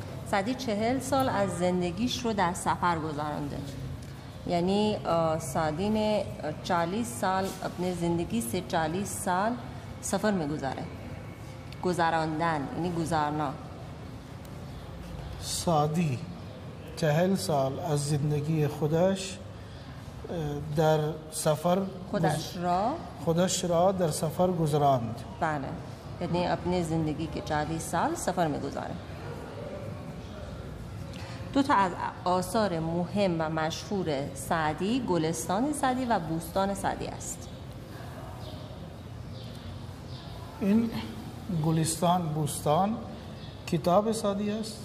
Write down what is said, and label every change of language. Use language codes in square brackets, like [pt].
[fa] سعدی 40 سال از زندگیش رو در سفر گذارنده، [ur] یعنی سعدی نے 40 سال اپنے زندگی سے 40 سال سفر میں گزارے، گزاراندن یعنی گزارنا. [fa] سعدی 40 سال از زندگی خودش در سفر خودش را در سفر گزراند. [ur] بله، یعنی اپنے زندگی کے 40 سال سفر میں گزارے. [fa] دو تا از آثار مهم و مشهور سعدی گلستان سعدی و بوستان سعدی است. این گلستان بوستان کتاب سعدی است؟